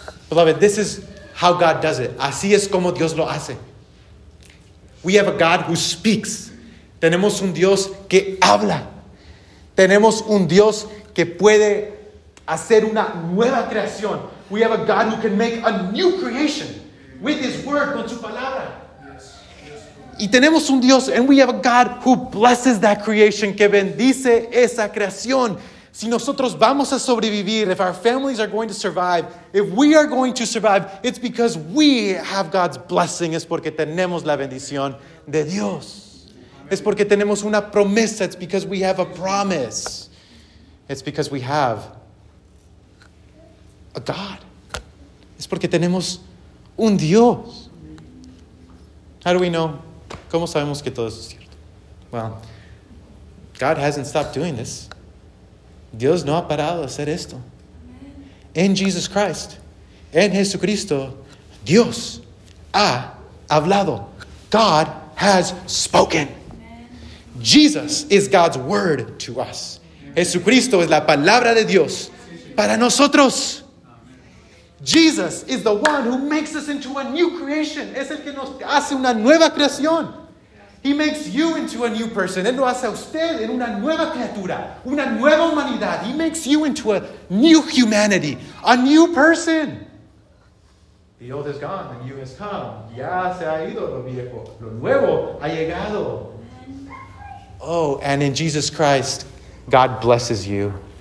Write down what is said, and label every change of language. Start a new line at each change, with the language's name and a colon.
English: Beloved, this is how God does it.
Spanish: Así es como Dios lo hace.
English: We have a God who speaks.
Spanish: Tenemos un Dios que habla. Tenemos un Dios que puede hacer una nueva creación.
English: We have a God who can make a new creation with his word,
Spanish: con su palabra.
English: Yes.
Spanish: Y tenemos un Dios,
English: and we have a God who blesses that creation,
Spanish: que bendice esa creación. Si nosotros vamos a sobrevivir,
English: if our families are going to survive, if we are going to survive, it's because we have God's blessing.
Spanish: Es porque tenemos la bendición de Dios. Es porque tenemos una promesa.
English: It's because we have a promise. It's because we have a God.
Spanish: Es porque tenemos un Dios.
English: How do we know?
Spanish: ¿Cómo sabemos que todo eso es cierto?
English: Well, God hasn't stopped doing this.
Spanish: Dios no ha parado de hacer esto. En Jesus Christ, en Jesucristo, Dios ha hablado.
English: God has spoken. Jesus is God's word to us.
Spanish: Jesucristo es la palabra de Dios para nosotros.
English: Jesus is the one who makes us into a new creation.
Spanish: Es el que nos hace una nueva creación.
English: He makes you into a new person.
Spanish: Él lo hace a usted en una nueva criatura, una nueva humanidad.
English: He makes you into a new humanity, a new person. The old is gone, the new has come.
Spanish: Ya se ha ido lo viejo, lo nuevo ha llegado.
English: Oh, and in Jesus Christ, God blesses you.